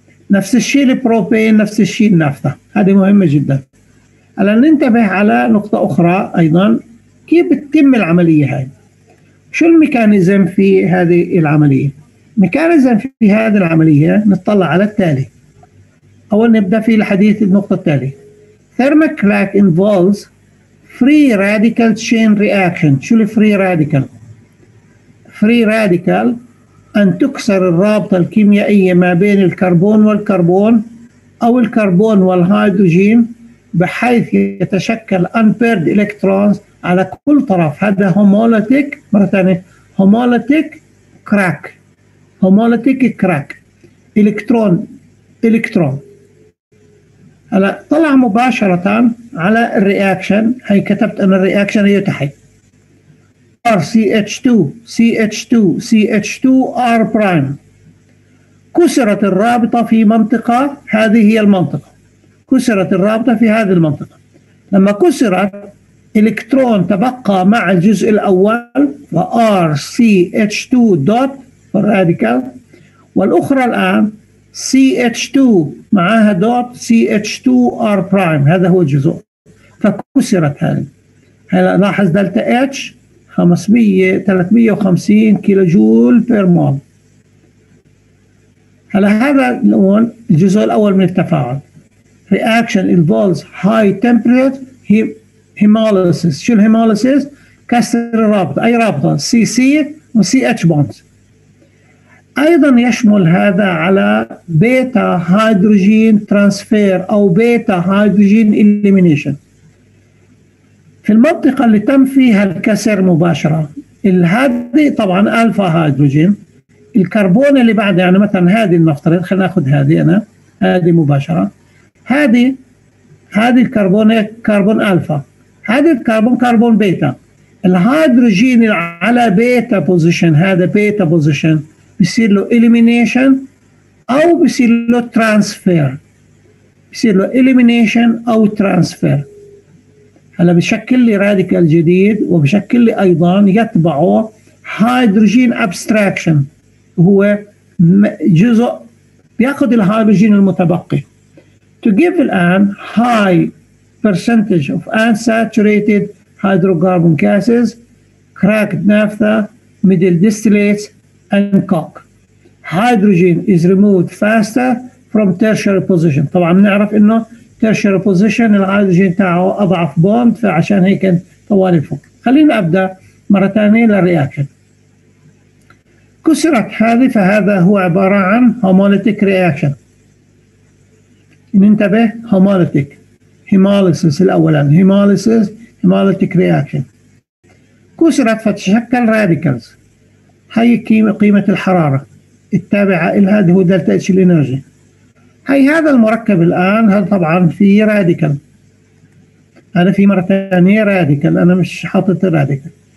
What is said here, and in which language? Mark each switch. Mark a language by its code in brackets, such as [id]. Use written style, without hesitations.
[ar] نفس الشيء البروبين، نفس الشيء النافثه، هذه مهمه جدا. هلا ننتبه على نقطة أخرى أيضا، كيف بتتم العملية هاي؟ شو الميكانيزم في هذه العملية؟ ميكانيزم في هذه العملية نطلع على التالي. أول نبدأ في الحديث النقطة التالية، [en] thermal crack involves free radical chain reaction. [ar] شو الفري راديكال؟ free radical أن تكسر الرابطة الكيميائية ما بين الكربون والكربون أو الكربون والهيدروجين، بحيث يتشكل unpaired electrons على كل طرف. هذا homolytic، مرة ثانية homolytic crack، homolytic crack electron electron. هلا طلع مباشرة على الرياكشن، هي كتبت أن الرياكشن هي تحت RCH2 CH2 CH2 R prime. كسرت الرابطة في منطقة، هذه هي المنطقة، كسرت الرابطة في هذه المنطقة. لما كسرت إلكترون تبقى مع الجزء الأول RCH2 dot radical، والأخرى الآن CH2 معها dot CH2 R prime، هذا هو الجزء، فكسرت هذه. هلا لاحظ دلتا H 350 كيلو جول بير مول. هلا هذا هون الجزء الأول من التفاعل. [en] Reaction involves high temperature hemolysis. [ar] شو الهيموليسيس؟ كسر الرابطة، أي رابطة؟ CC و CH bonds. أيضا يشمل هذا على beta hydrogen transfer أو beta hydrogen elimination. في المنطقة اللي تم فيها الكسر مباشرة، الهادي طبعا ألفا هيدروجين، الكربون اللي بعده يعني مثلا هذه نفترض خلينا ناخذ هذه انا هذه مباشره، هذه الكربون كربون الفا، هذه الكربون كربون بيتا، الهيدروجين على بيتا بوزيشن، هذا بيتا بوزيشن بيصير له اليمينيشن او بيصير له ترانسفير، بيصير له اليمينيشن او ترانسفير. هلا بشكل لي راديكال جديد وبشكل لي ايضا يتبعه هيدروجين ابستراكشن، هو جزء بياخذ الهيدروجين المتبقي. [en] To give الآن high percentage of unsaturated hydrocarbon gases, cracked naphtha, middle distillates and coke. Hydrogen is removed faster from tertiary position. [ar] طبعا بنعرف انه tertiary position الهيدروجين تاعه اضعف بوند، فعشان هيك طوال فوق. خلينا ابدا مره ثانيه للرياكشن. كسرت هذه، فهذا هو عبارة عن homolytic reaction. ننتبه homolytic hemolysis الأولان hemolysis homolytic reaction. كسرت فتشكل radicals. هاي قيمة الحرارة التابعة لها اللي هو دلتا اتش الانرجي. هاي هذا المركب الآن، هذا طبعا فيه radical. أنا في مرة ثانية radical، أنا مش حاطط radical.